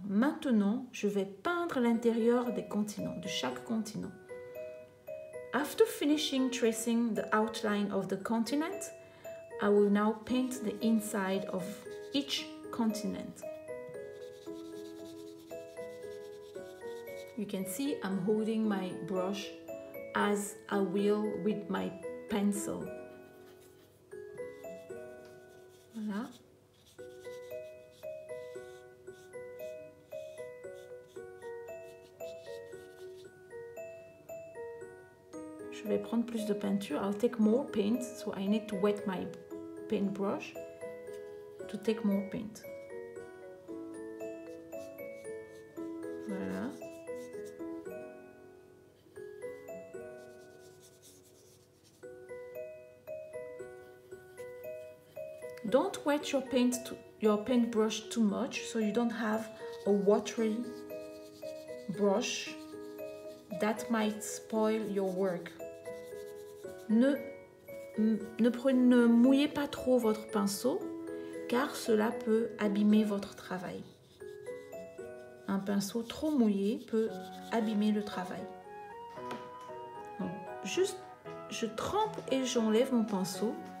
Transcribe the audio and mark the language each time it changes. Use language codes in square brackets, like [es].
[fr] Maintenant, je vais peindre l'intérieur des continents, de chaque continent. [en] After finishing tracing the outline of the continent, I will now paint the inside of each continent. You can see I'm holding my brush as I will with my pencil. [fr] Voilà. Je vais prendre plus de peinture. [en] I'll take more paint, so I need to wet my paintbrush to take more paint. [fr] Voilà. [en] Don't wet your paint your paintbrush too much, so you don't have a watery brush. that might spoil your work. [fr] Ne mouillez pas trop votre pinceau, car cela peut abîmer votre travail. Un pinceau trop mouillé peut abîmer le travail. Donc, juste, je trempe et j'enlève mon pinceau.